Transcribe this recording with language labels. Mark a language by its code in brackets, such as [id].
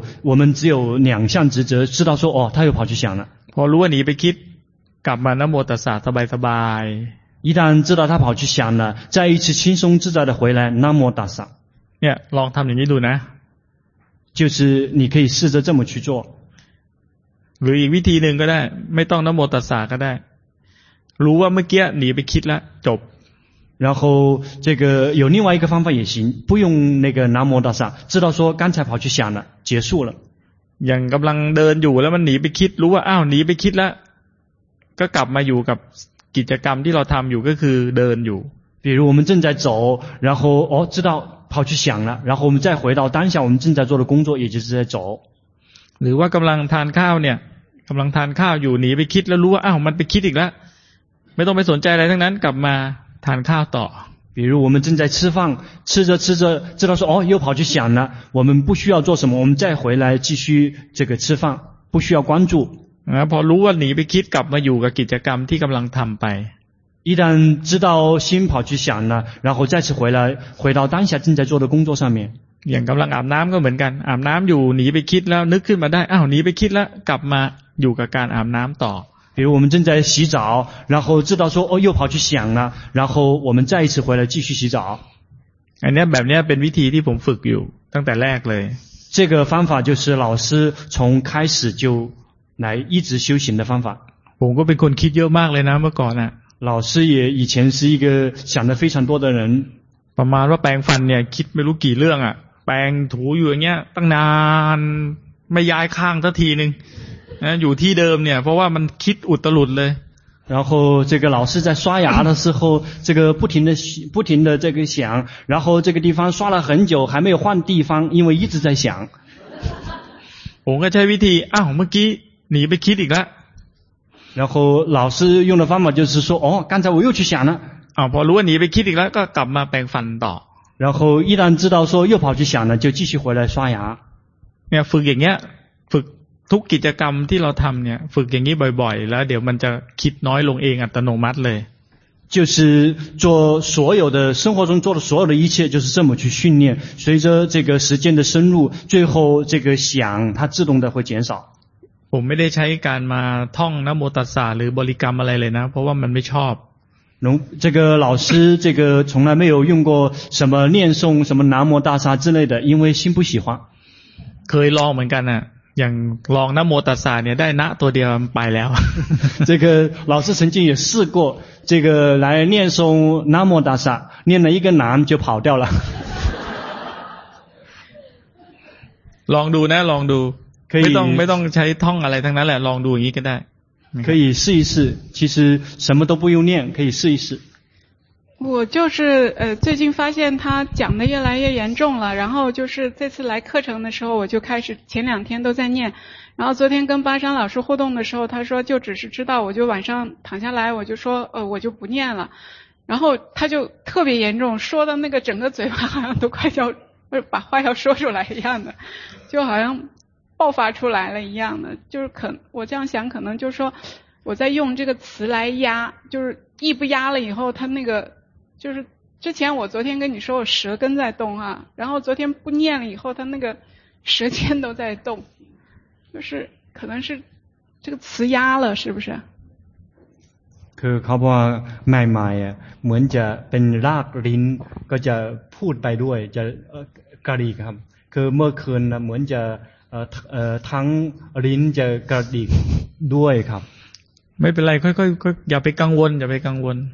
[zh] 我们只有两项职责知道说哦他又跑去想了 [th] พอรู้ว่าหนีไปคิดกลับมานะโมตัสสะสบายสบาย [zh] 一旦知道他跑去想了再一次轻松自在的回来那么大傻 [th] เนี่ยลองทำอย่างนี้ดูนะ [zh] 就是你可以试着这么去做 [th] หรืออีกวิธีหนึ่งก็ได้ไม่ต้องนโมตัสสะก็ได้รู้ว่าเมื่อกี้หนีไปคิดแล้วจบ [zh] 然后这个有另外一个方法也行不用那个นโมตัสสะ知道说刚才跑去想了结束了 [th] ยังกำลังเดินอยู่แล้วมันหนีไปคิดรู้ว่าอ้าวหนีไปคิดแล้วก็กลับมาอยู่กับกิจกรรมที่เราทำอยู่ก็คือเดินอยู่ [zh] 比如我们正在走然后哦知道跑去想了然后我们再回到当下我们正在做的工作也就是在走 [th] หรือว่ากำลังทานข้าวเนี่ยกำลังทานข้าวอยู่หนีไปคิดแล้วรู้ว่าอ้าวมันไปคิดอีกแล้วไม่ต้องไปสนใจอะไรทั้งนั้นกลับมาทานข้าวต่อ [zh] 比如我们正在吃饭吃着吃着知道说哦又跑去想了我们不需要做什么我们再回来继续这个吃饭不需要关注 [th] พอรู้ว่าหนีไปคิดกลับมาอยู่กับกิจกรรมที่กำลังทำไป [zh] 一旦知道心跑去想了然后再次回来回到当下正在做的工作上面 [th] อย่างกำลังอาบน้ำก็เหมือนกันอาบน้ำอยู่หนีไปคิดแล้วนึกขึ้นมาได้อ้าวหนีไปคิดแล้วกลับมาอยู่กับการอาบน้ำต่อ [zh] 比如我们正在洗澡然后知道说哦又跑去想了然后我们再一次回来继续洗澡 [th] อันนี้แบบนี้เป็นวิธีที่ผมฝึกอยู่ตั้งแต่แรกเลย [zh] 这个方法就是老师从开始就来一直修行的方法 [th] ผมก็เป็นคนคิดเยอะมากเลยนะเมื่อก่อนอ่ะ [zh] 老师也以前是一个想的非常多的人 [th] ประมาณว่าแปรงฟันเนี่ยคิดไม่รู้กี่เรื่องอ่ะแปรงถูอยู่อย่างเงี้ยตั้งนานไม่ย้ายข้างสักทีนึงนะอยู่ที่เดิมเนี่ยเพราะว่ามันคิดอุตลุดเลย [zh] 然后这个老师在刷牙的时候这个不停的这个想然后这个地方刷了很久还没有换地方因为一直在想 [th] ผมก็ใช้วิธีอ้าวเมื่อกี้หนีไปคิดอีกแล้ [zh] ว然后老师用的方法就是说哦刚才我又去想了 [th] พอรู้ว่าหนีไปคิดอีกแล้วก็กลับมาแปรงฟันต่อ [zh] 然后一旦知道说又跑去想了就继续回来刷牙 [th] เนี่ยฝึกอย่างเงี้ยฝึกทุกกิจกรรมที่เราทำเนี่ยฝึกอย่างนี้บ่อยๆแล้วเดี๋ยวมันจะคิดน้อยลงเองอัตโนมัติเลย [zh] 就是做所有的生活中做的所有的一切就是这么去训练随着这个时间的深入最后这个想它自动的会减少 [th] ผมไม่ได้ใช้การมาท่องนโมตัสสะหรือบริกรรมอะไรเลยนะเพราะว่ามันไม่ชอบ [zh] 这个老师这个从来没有用过什么念诵什么南无大沙之类的因为心不喜欢 [th] เคยลองเหมือนกันนะอย่างลองนโมตัสสะเนี่ยได้นะตัวเดียวไปแล้ว [zh] 这个老师曾经也试过这个来念诵南无大沙念了一个南就跑掉了 [th] ลองดูนะลองดูไม่ต้องใช้ท่องอะไรทั้งนั้นแหละลองดูอย่างนี้ก็ได้ [zh] 可以试一试其实什么都不用念可以试一试我就是最近发现他讲的越来越严重了然后就是这次来课程的时候我就开始前两天都在念然后昨天跟巴山老师互动的时候他说就只是知道我就晚上躺下来我就说我就不念了然后他就特别严重说的那个整个嘴巴好像都快要把话要说出来一样的就好像爆发出来了一样的就是可我这样想可能就是说我在用这个词来压就是一不压了以后他那个就是之前我昨天跟你说我舌根在动啊然后昨天不念了以后他那个舌尖都在动就是可能是这个词压了是不是 [th] คือเขาบอกว่าใหม่ๆอ่ะเหมือนจะเป็นรากลิ้นก็จะพูดไปด้วยจะกะดีครับคือเมื่อคืนน่ะเหมือนจะทั้งลิ้นจะกระดิกด้วยครับ ไม่เป็นไรค่อยๆอย่าไปกังวลอย่าไปกังวล